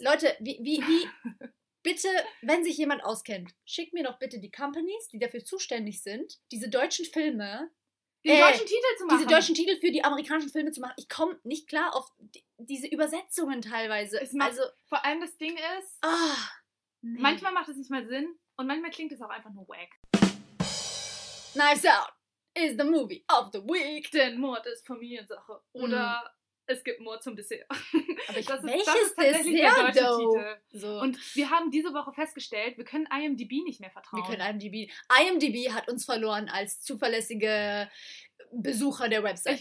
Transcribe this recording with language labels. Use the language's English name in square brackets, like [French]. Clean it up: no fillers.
[German] Leute, wie bitte, wenn sich jemand auskennt, schickt mir doch bitte die Companies, die dafür zuständig sind, diese deutschen Filme... deutschen Titel für die amerikanischen Filme zu machen. Ich komme nicht klar auf diese Übersetzungen teilweise. Vor allem das Ding ist, manchmal macht es nicht mal Sinn und manchmal klingt es auch einfach nur wack. [English] Knives Out is the movie of the week. [German] Denn Mord ist Familiensache. Oder es gibt Mord zum Dessert. Das ist tatsächlich Dessert, der deutsche Titel. So. Und wir haben diese Woche festgestellt, wir können IMDb nicht mehr vertrauen. IMDb hat uns verloren als zuverlässige Besucher der Webseite.